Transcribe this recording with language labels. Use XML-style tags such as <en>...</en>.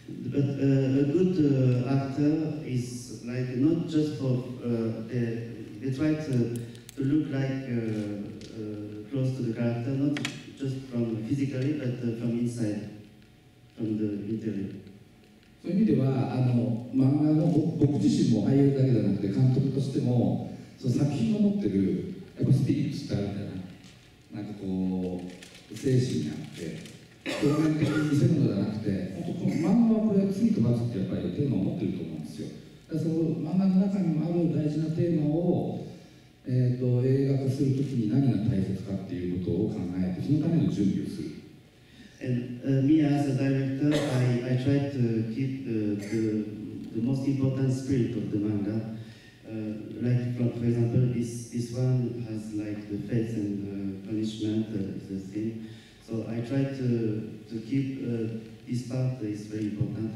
<en>But a good actor is like not just for they try to look like close to the character, not just from physically but from inside, from the interior.</en> <ja>そういう意味では、あの漫画の僕自身も俳優だけじゃなくて監督としてもその作品を持ってるやっぱスピリットってあるんだな。なんかこう精神があって表面的に見せるのではなくて、本当この漫画をこれ次飛ばすってやっぱりテーマを持ってると思うんですよ。だからその漫画の中にもある大事なテーマを映画化するときに何が大切かっていうことを考えて、そのための準備をする。</ja> <en>And me as a director, I try to keep the most important spirit of the manga. Like for example, this one has like the faith and the punishment the thing. So I try to keep this part is very important.</en>